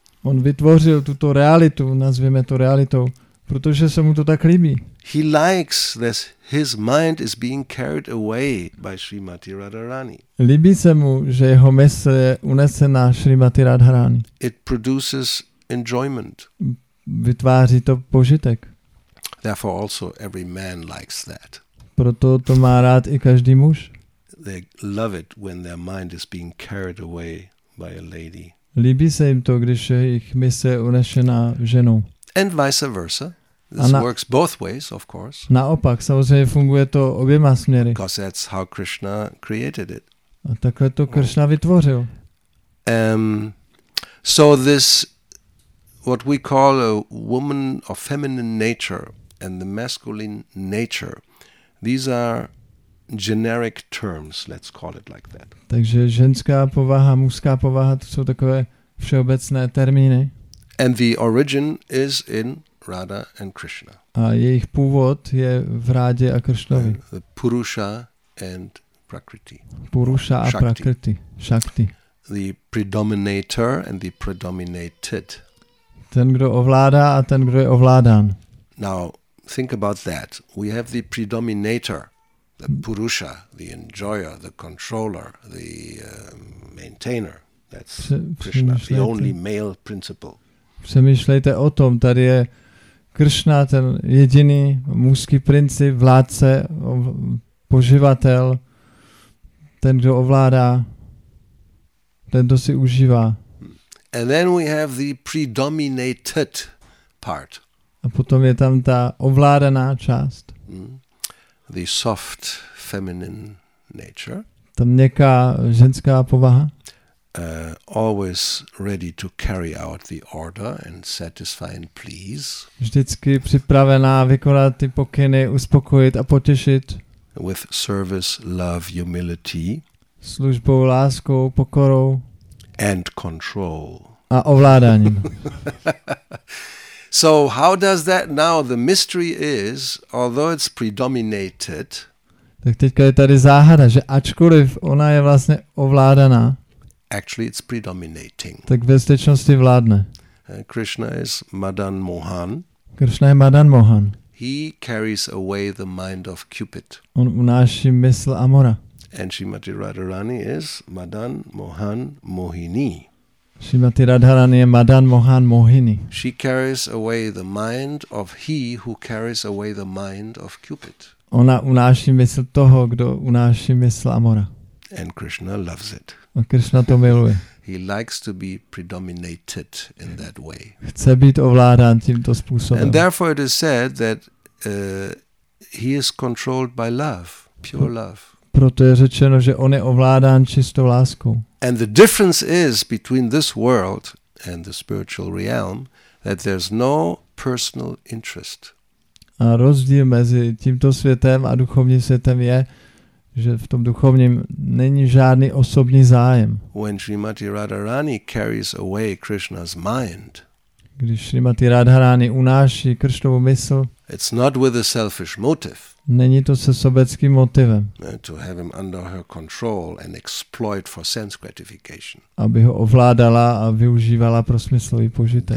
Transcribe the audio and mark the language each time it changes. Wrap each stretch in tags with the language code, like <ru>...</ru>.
<cs>On vytvořil tuto realitu, nazvíme to realitou, protože se mu to tak líbí.</cs> <en>He likes this. His mind is being carried away by Srimati Radharani.</en> <cs>Líbí se mu, že jeho mysl je unesená Srimati Radharani.</cs> <en>It produces enjoyment.</en> <cs>Vytváří to požitek.</cs> <en>Therefore also every man likes that.</en> <cs>Proto to má rád i každý muž.</cs> <en>They love it when their mind is being carried away by a lady.</en> <cs>Líbí se jim to, když je jejich mysl unesená ženou.</cs> <en>And vice versa. This works both ways, of course.</en> <cs>Naopak, samozřejmě funguje to oběma směry.</cs> <en>Because that's how Krishna created it.</en> <cs>A takhle to Krishna vytvořil.</cs> <en>So this, what we call a woman of feminine nature and the masculine nature, these are generic terms, let's call it like that.</en> <cs>Takže ženská povaha, mužská povaha, to jsou takové všeobecné termíny.</cs> <en>And the origin is in Radha and Krishna.</en> <cs>A jejich původ je v Rádě a Krishnovi.</cs> <en>Purusha and Prakriti.</en> <cs>Purusha a Prakriti. Shakti.</cs> <en>The predominator and the predominated.</en> <cs>Ten, kdo ovládá a ten, kdo je ovládán.</cs> <en>Now, think about that. We have the predominator, the Purusha, the enjoyer, the controller, the maintainer. That's Krishna, the only male principle.</en> <cs>Přemýšlejte o tom, tady je Krishna, ten jediný mužský princip, vládce, poživatel, ten, kdo ovládá, ten, kdo si užívá.</cs> <en>And then we have the predominated part.</en> <cs>A potom je tam ta ovládaná část.</cs> <en>The soft feminine nature.</en> <cs>Ta měkká ženská povaha.</cs> <en>Always ready to carry out the order and satisfy and please.</en> <cs>Vždycky připravená vykonat ty pokyny, uspokojit a potěšit.</cs> <en>With service, love, humility.</en> <cs>Službou, láskou, pokorou.</cs> <en>And control.</en> <cs>A ovládáním.</cs> <en>So how does that now? The mystery is, although it's predominated.</en> <cs>Tak teďka je tady záhada, že ačkoliv ona je vlastně ovládaná.</cs> <en>Actually, it's predominating.</en> <cs>Tak ve skutečnosti vládne.</cs> <en>Krishna is Madan Mohan.</en> <cs>Krishna je Madan Mohan.</cs> <en>He carries away the mind of Cupid.</en> <cs>On unáší mysl Amora.</cs> <en>And Srimati Radharani is Madan Mohan Mohini.</en> <cs>Srimati Radharani je Madan Mohan Mohini.</cs> <en>She carries away the mind of he who carries away the mind of Cupid.</en> <cs>Ona unáší mysl toho, kdo unáší mysl Amora.</cs> <en>And Krishna loves it.</en> <cs>A Krishna to miluje.</cs> <en>He likes to be predominated in that way.</en> <cs>Chce být ovládán tímto způsobem.</cs> <en>And therefore it is said that he is controlled by love, pure love.</en> <cs>Proto je řečeno, že on je ovládán čistou láskou.</cs> <en>And the difference is between this world and the spiritual realm that there's no personal interest.</en> <cs>A rozdíl mezi tímto světem a duchovním světem je, že v tom duchovním není žádný osobní zájem.</cs> <en>When Srimati Radharani carries away Krishna's mind,</en> <cs>když Srimati Radharani unáší Krishnovu mysl,</cs> <en>it's not with a selfish motive.</en> <cs>Není to se sobeckým motivem.</cs> <en>To have him under her control and exploit for sense gratification.</en> <cs>Aby ho ovládala a využívala pro smyslový požitek.</cs>